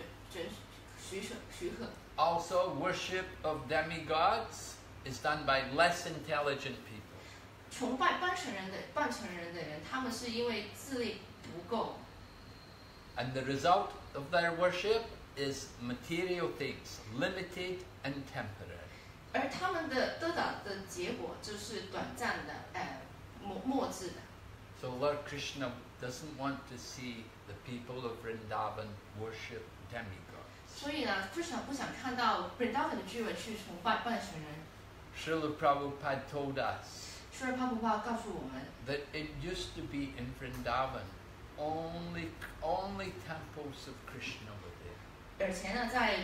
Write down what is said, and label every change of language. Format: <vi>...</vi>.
<zh>但是如果这些半神可以给的任何的东西，他们可以怎样做，也是因为我的许可。</zh> <en>Also, worship of demigods is done by less intelligent people.</en> <zh>崇拜半神人的人，他们是因为智力不够。</zh> <en>And the result of their worship is material things, limited and temporary.</en> <zh>而他们的得到的结果就是短暂的。</zh> <en>So Lord Krishna doesn't want to see the people of Vrindavan worship demigods. Srila Prabhupada told us that it used to be in Vrindavan, only temples of Krishna were there.</en>